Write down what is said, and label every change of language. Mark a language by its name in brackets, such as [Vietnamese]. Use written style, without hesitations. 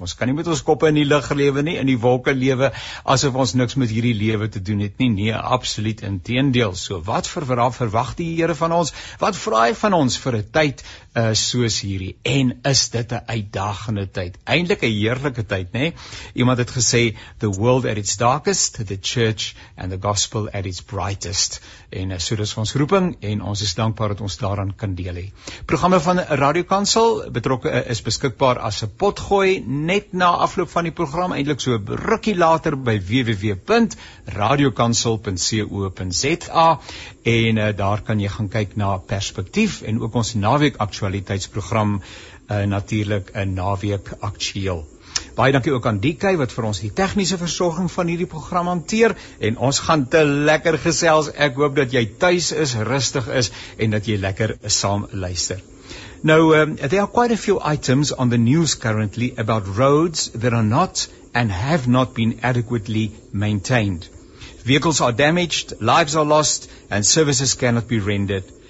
[Afrikaans] Ons kan nie met ons koppe in die lug lewe nie, in die wolke lewe, asof ons niks met hierdie lewe te doen het nie. Nee, absoluut inteendeel. So wat verwag die Here van ons? Wat vra hy van ons vir 'n tyd soos hierdie? En is dit 'n uitdagende tyd? Eindelijk 'n heerlike tyd, nê? Iemand het gesê, [English] the world at its darkest, the church and the gospel at its brightest. [Afrikaans] En so dis ons roeping en ons is dankbaar dat ons daaraan kan deel hê. Programme van Radio Kansel betrokke is beskikbaar as 'n potgooi net na afloop van die program, eindelijk so rukkie later by www.radiokansel.co.za en daar kan jy gaan kyk na Perspektief en ook ons naweek aktualiteitsprogram natuurlik in naweek aktueel. Baie dankie ook aan DK wat vir ons die tegniese versorging van hierdie program hanteer en ons gaan te lekker gesels. Ek hoop dat jy thuis is, rustig is en dat jy lekker saam luister. [English] Now, there are quite a few items on the news currently about roads that are not and have not been adequately maintained. Vehicles are damaged, lives are lost, and services cannot be rendered.